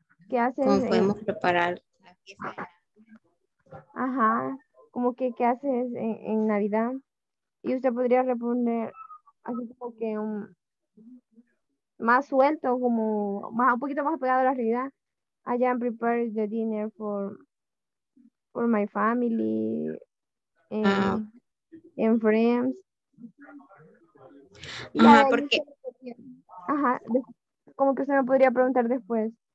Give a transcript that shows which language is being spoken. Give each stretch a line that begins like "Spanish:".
Spanish: ¿qué haces? ¿Cómo podemos preparar la fiesta? Ajá, como que ¿qué haces en Navidad? Y usted podría responder así como que un, más suelto, como más, un poquito más pegado a la realidad.
English: I am preparing the dinner for my family and, and friends.
Spanish: Ajá, ya, porque... Ajá, como que usted me podría preguntar después.